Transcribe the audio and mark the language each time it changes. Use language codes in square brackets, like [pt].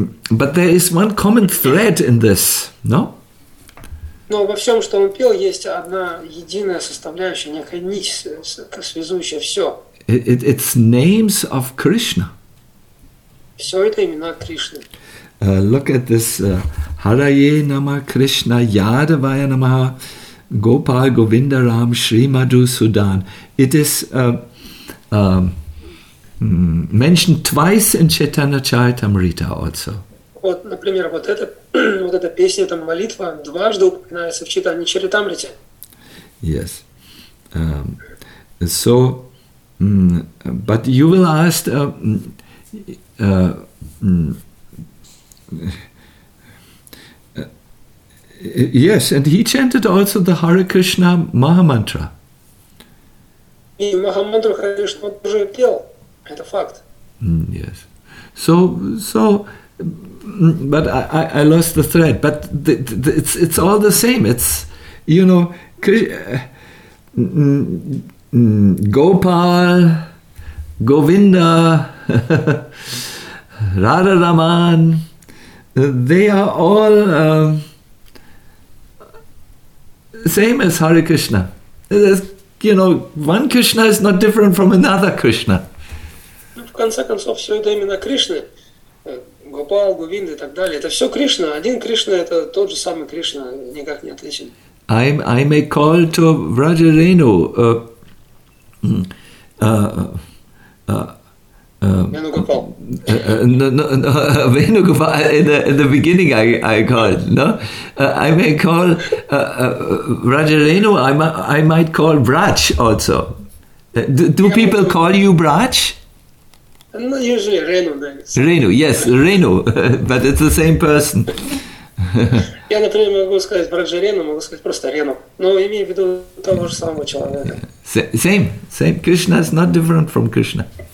[en] But there is one common thread in this, no? [ru] Но во всем, что он пел, есть одна единая составляющая, некая нить, связующая все. [en] It's names of Krishna. [ru] Все это имена Кришны. [en] Look at this. [sa] Haraye Nama Krishna Yadavaya Namaha Gopal Govindaram Shri Madhu Sudan. [en] It is mentioned twice in Chaitanya Charitamrita also. [ru] Вот, например, вот эта, вот эта песня, эта молитва дважды упоминается в Чайтанья Чаритамрите. [en] Yes. So, but you will ask, yes, and he chanted also the Hare Krishna Mahamantra. [ru] И Махамантру Хари Кришна тоже пел. Это факт. [en] Yes. So, but I lost the thread. But it's all the same. It's, you know, Gopal, Govinda, Radha Raman, they are all same as Hare Krishna. It's, you know, one Krishna is not different from another Krishna. [ru] В конце концов, все это именно Кришны. Гопал, Говинда и так далее. Это все Кришна. Один Кришна – это тот же самый Кришна, никак не отличен. [en] I may call to Raja Renu. Venugopal. In the beginning I called, no? I may call Raja Renu, I might call Braj also. Do people call you Braj? No, usually Renu. Renu, yes, Renu, but it's the same person. [ru] Я, например, могу сказать Браджа Рену, могу сказать просто Рену. Но имею в виду того же самого человека. [en] Same. Krishna is not different from Krishna.